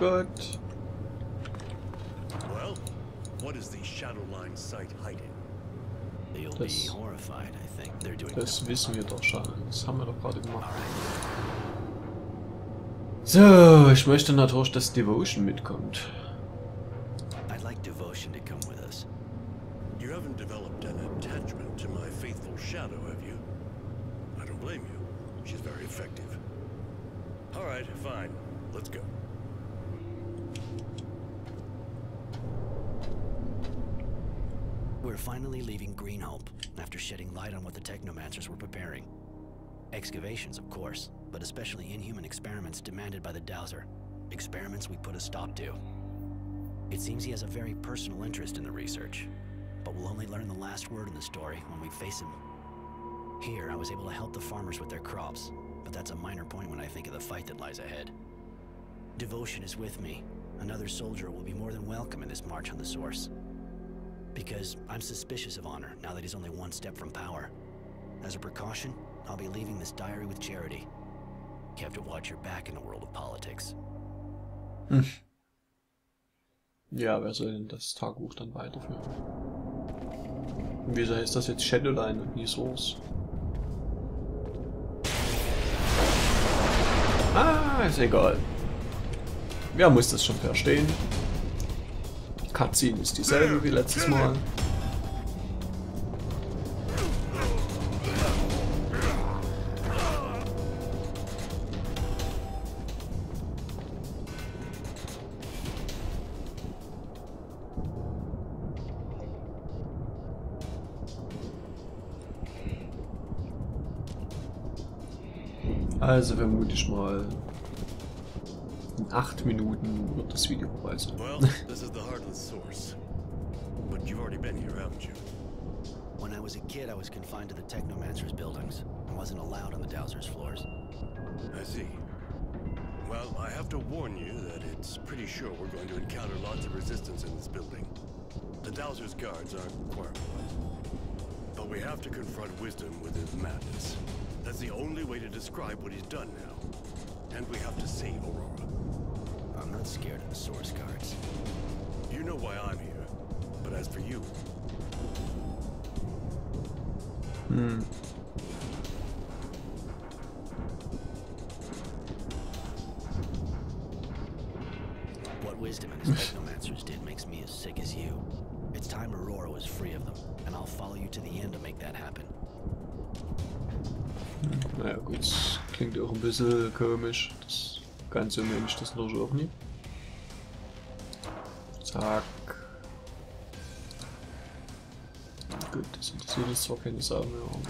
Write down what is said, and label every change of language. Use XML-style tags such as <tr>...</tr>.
<en>Well, what is the Shadow Line site hiding? They'll be horrified, I think. They're doing</en> <de>das wissen wir doch schon. Das haben wir doch gerade gemacht. So, ich möchte natürlich, dass Devotion mitkommt.</de> <en>I'd like Devotion to come with us. You haven't developed an attachment to my faithful Shadow, have you? I don't blame you. She's very effective. All right, fine. Let's go. We're finally leaving Green Hope after shedding light on what the Technomancers were preparing. Excavations, of course, but especially inhuman experiments demanded by the Dowser. Experiments we put a stop to. It seems he has a very personal interest in the research, but we'll only learn the last word in the story when we face him. Here, I was able to help the farmers with their crops, but that's a minor point when I think of the fight that lies ahead. Devotion is with me. Another soldier will be more than welcome in this march on the source. Because I'm suspicious of Honor now that he's only one step from power. As a precaution, I'll be leaving this diary with Charity. You have to watch your back in the world of politics.</en> <de>Ja, wer soll denn das Tagebuch dann weiterführen? Und wieso heißt das jetzt Shadowline und nicht Source? Ah, ist egal. Wer muss das schon verstehen? Cutscene ist dieselbe wie letztes Mal. Also vermute ich mal, in 8 Minuten wird das Video vorbei sein.</de> <en>Well, this is the Heartless Source. But you've already been here, haven't you? When I was a kid, I was confined to the Technomancer's buildings. I wasn't allowed on the Dowser's floors. I see. Well, I have to warn you that it's pretty sure we're going to encounter lots of resistance in this building. The Dowser's guards aren't quarreling. But we have to confront Wisdom with his madness. That's the only way to describe what he's done now. And we have to save Aurora. I'm not scared of the Source Guards. You know why I'm here. But as for you... What Wisdom and his Technomancers did makes me as sick as you. It's time Aurora was free of them. And I'll follow you to the end to make that happen.</en> <de>Naja gut, das klingt auch ein bisschen komisch. Das Ganze nehme ich das noch auch nie. Zack. Gut, das interessiert uns zwar keine Sachen mehr.</de>